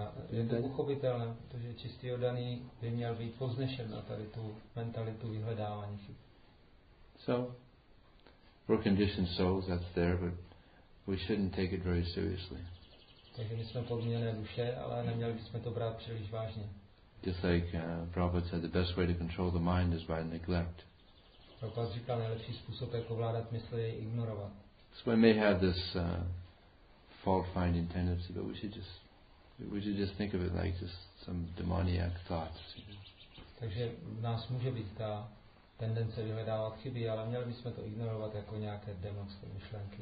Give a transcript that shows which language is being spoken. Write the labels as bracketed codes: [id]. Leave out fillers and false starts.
[cs] Je to pochopitelné, protože čistý oddaný by měl být poznešen na tady tu mentalitu vyhledávání chyb. [en] So, we're conditioned souls, that's there, but we shouldn't take it very seriously. [cs] Takže my jsme podmíněné duše, ale neměli bychom to brát příliš vážně. [en] Just like Prabhupada said, the best way to control the mind is by neglect. [cs] Prabhupada říká, nejlepší způsob, jak ovládat mysl, je ignorovat. [en] So we may have this fault-finding tendency, but we should just think of it like just some demoniac thoughts. [cs] Takže v nás může být ta tendence vyhledávat chyby, ale měli bychom to ignorovat jako nějaké demonské myšlenky.